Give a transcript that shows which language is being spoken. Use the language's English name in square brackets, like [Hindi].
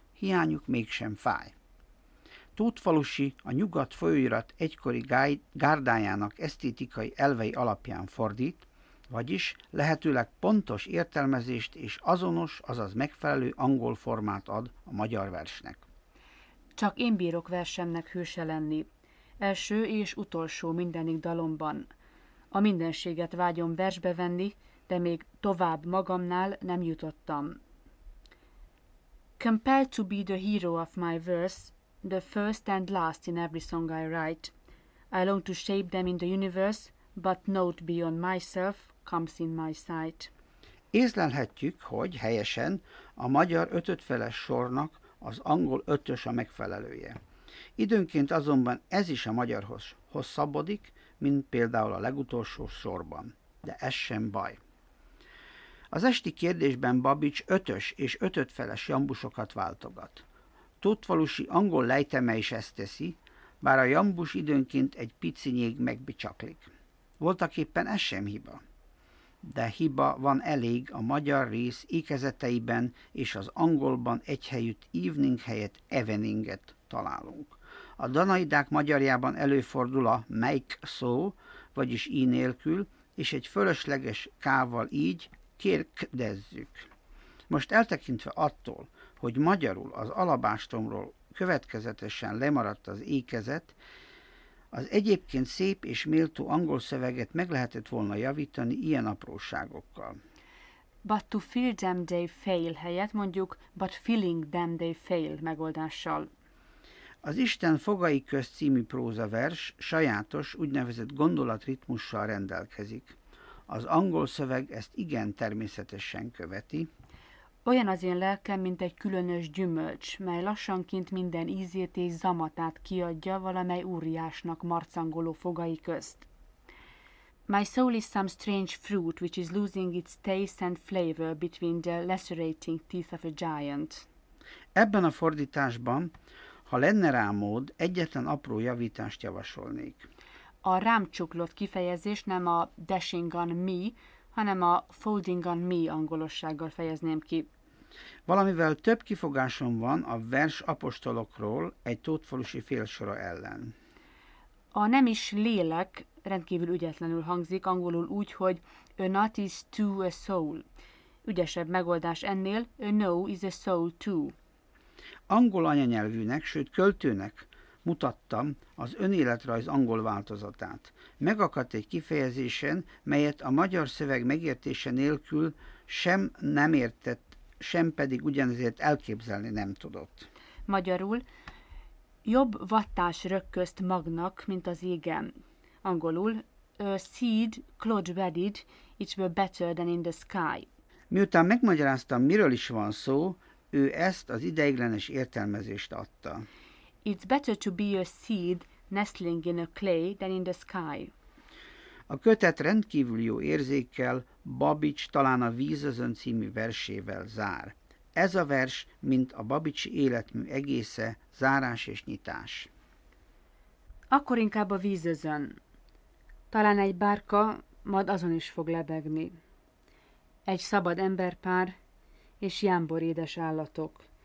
[Hungarian] Hiányuk mégsem fáj. Tótfalusi a Nyugat folyóirat egykori gárdájának esztétikai elvei alapján fordít, vagyis lehetőleg pontos értelmezést és azonos, azaz megfelelő angol formát ad a magyar versnek. Csak én bírok versemnek hőse lenni. Első és utolsó mindenik dalomban. A mindenséget vágyom versbe venni, de még tovább magamnál nem jutottam. [English] Compelled to be the hero of my verse, the first and last in every song I write. I long to shape them in the universe, but not beyond myself comes in my sight. [Hungarian] Észlelhetjük, hogy helyesen a magyar ötötfeles sornak az angol ötös a megfelelője. Időnként azonban ez is a magyarhoz hosszabbodik, mint például a legutolsó sorban. De ez sem baj. Az esti kérdésben Babits ötös és ötötfeles jambusokat váltogat. Tótfalusi angol lejteme is ezt teszi, bár a jambus időnként egy pici nyég megbicsaklik. Voltak éppen ez sem hiba. De hiba van elég a magyar rész ékezeteiben és az angolban egyhelyütt evening helyett eveninget találunk. A danaidák magyarjában előfordul a make szó, vagyis í nélkül, és egy fölösleges k-val így kérkdezzük. Most eltekintve attól, hogy magyarul az alabástomról következetesen lemaradt az ékezet, az egyébként szép és méltó angol szöveget meg lehetett volna javítani ilyen apróságokkal. [English] But to feel them they fail [Hungarian] helyett mondjuk [English] but feeling them they fail [Hungarian] megoldással. Az Isten fogai közt című prózavers sajátos, úgynevezett gondolatritmussal rendelkezik. Az angol szöveg ezt igen természetesen követi. Olyan az én lelkem, mint egy különös gyümölcs, mely lassanként minden ízét és zamatát kiadja valamely úriásnak marcangoló fogai közt. [English] My soul is some strange fruit, which is losing its taste and flavor between the lacerating teeth of a giant. [Hungarian] Ebben a fordításban, ha lenne rá mód, egyetlen apró javítást javasolnék. A rám csuklott kifejezés nem a [English] dashing on me, [Hungarian] hanem a [English] folding on me [Hungarian] angolossággal fejezném ki. Valamivel több kifogásom van a vers apostolokról egy tótfalusi félsora ellen. A nem is lélek rendkívül ügyetlenül hangzik angolul úgy, hogy a [English] not is to a soul. [Hungarian] Ügyesebb megoldás ennél, a [English] no is a soul too. [Hungarian] Angol anyanyelvűnek, sőt költőnek mutattam az önéletrajz angol változatát. Megakadt egy kifejezésen, melyet a magyar szöveg megértése nélkül sem nem értett, sem pedig ugyanezért elképzelni nem tudott. Magyarul, jobb vattás rökközt magnak, mint az égen. Angolul, [English] a seed cloud-bedded, it's better than in the sky. [Hungarian] Miután megmagyaráztam, miről is van szó, ő ezt az ideiglenes értelmezést adta. [English] It's better to be a seed nestling in a clay than in the sky. [Hungarian] A kötet rendkívül jó érzékkel Babits talán a Vízözön című versével zár. Ez a vers, mint a Babitsi életmű egésze, zárás és nyitás. Akkor inkább a Vízözön. Talán egy bárka, majd azon is fog lebegni. Egy szabad emberpár és jámbor édes állatok.